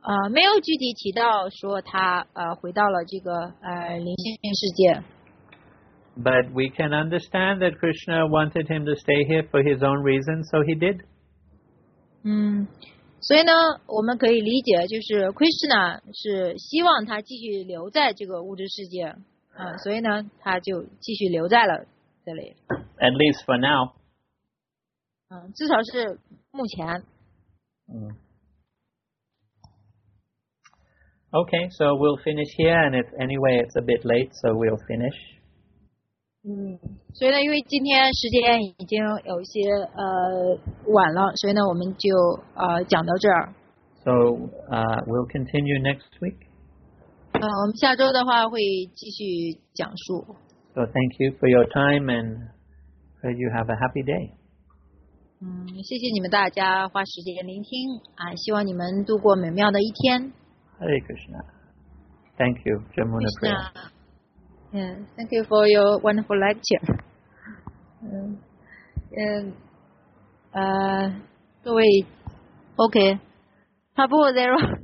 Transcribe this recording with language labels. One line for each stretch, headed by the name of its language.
Chinese: 没有具体提到说他回到了这个灵性世界。
English: But we can understand that Krishna wanted him to stay here for his own reason, so he did.
Chinese: 所以呢，我们可以理解就是 Krishna 是希望他继续留在这个物质世界。所以呢，他就继续留在了这里。
English: At least for now.
Chinese: 至少是目前。
English: Okay, so we'll finish here, and if anyway it's a bit late, so we'll finish.
Chinese: 所以呢，因为今天时间已经有一些晚了，所以呢，我们就讲到这儿。
English: So, we'll continue next week.
Chinese: 我们下周的话会继续讲述。
English: So thank you for your time and pray you have a happy day.
Chinese: 谢谢你们大家花时间聆听啊，希望你们度过美妙的一天。
English: Hare Krishna. Thank you, Jamuna Priya. Yeah, thank you for your wonderful lecture. And
Chinese: 各位
English: ，Okay,
Chinese: 差不多
English: zero。